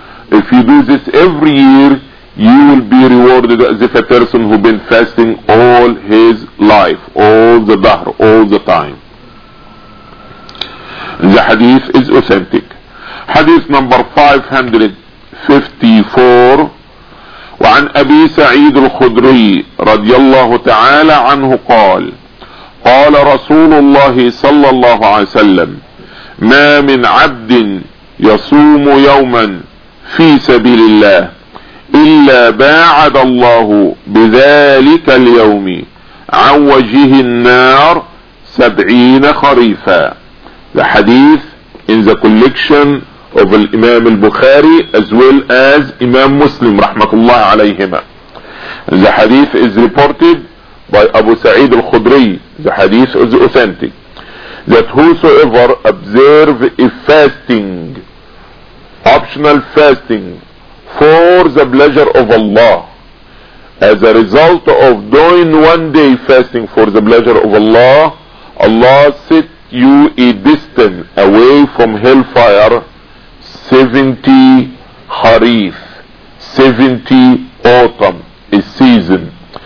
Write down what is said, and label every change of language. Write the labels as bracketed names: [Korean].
[English] If you do this every year, you will be rewarded as if a person who been fasting all his life, all the dahr, all the time. The hadith is authentic. Hadith number 554. [Arabic] وعن أبي سعيد الخدري رضي الله تعالى عنه قال قال رسول الله صلى الله عليه وسلم ما من عبد يصوم يوما في سبيل الله إلا باعد الله بذلك اليوم عن وجهه النار 70 خريفا. [English] The hadith in the collection of Imam al-Bukhari as well as Imam Muslim rahmatullah alayhima. The hadith is reported by Abu Sa'id al-Khudri. The hadith is authentic that whosoever observe a fasting, optional fasting, for the pleasure of Allah, as a result of doing one day fasting for the pleasure of Allah, Allah set you a distance away from hellfire 70 kharif, 70 autumn, a season.